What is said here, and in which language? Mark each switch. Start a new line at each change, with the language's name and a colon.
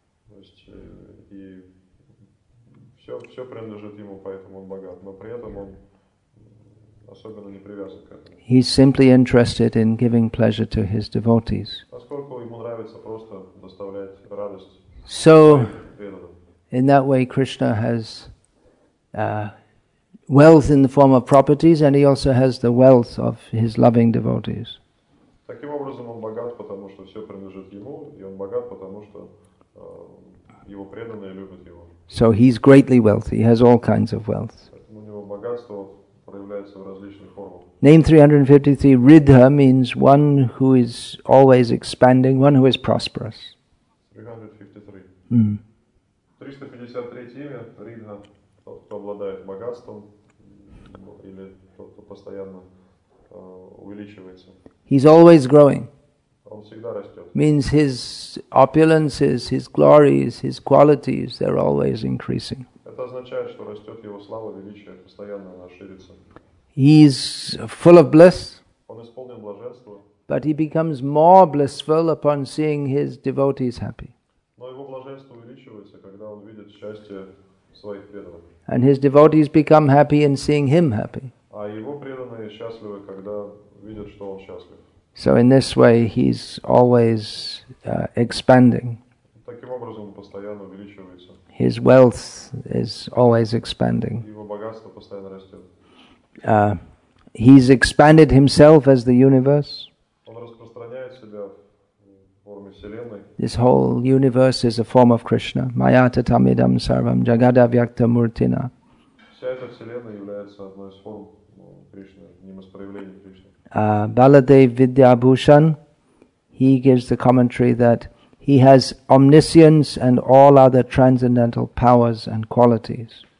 Russian: То есть и все принадлежит ему, поэтому он богат. Но при этом он особенно не привязан к этому.
English: He's simply interested in giving pleasure to his devotees.
Russian: Поскольку ему нравится просто доставлять радость.
English: So, in that way, Krishna has wealth in the form of properties, and he also has the wealth of his loving devotees.
Russian: Таким образом, он богат, потому что все принадлежит ему, и он богат, потому что его преданные любят его.
English: So he's greatly wealthy. He has all kinds of wealth.
Russian: У него богатство проявляется в различных формах.
English: Name 353. Ridha means one who is always expanding, one who is prosperous. 353. Mm.
Russian: 353 имя Ридха, тот, кто обладает богатством, или тот, кто постоянно увеличивается.
English: He's always growing.
Russian: Он всегда растет.
English: Means his opulences, his glories, his qualities, they're always increasing.
Russian: Это означает, что растет его слава, величие, постоянно она ширится.
English: He's full of bliss.
Russian: Он исполнен блаженства.
English: But he becomes more blissful upon seeing his devotees happy.
Russian: Но его блаженство увеличивается, когда он видит счастье своих преданных.
English: And his devotees become happy in seeing him happy.
Russian: А его преданные счастливы, когда видят, что он счастлив.
English: So in this way, he's always expanding.
Russian: Таким образом, он постоянно увеличивается.
English: His wealth is always expanding.
Russian: Его богатство постоянно растет.
English: He's expanded himself as the universe.
Russian: Он распространяет себя в форме вселенной.
English: This whole universe is a form of Krishna.
Sanskrit: Maya tatam idam sarvam jagada vyakta murtina.
Russian: Вся эта вселенная является одной из форм Кришны, одним из проявлений Кришны.
English: Баладев Видьябхушан, he gives the commentary that he has omniscience and all other transcendental powers and qualities.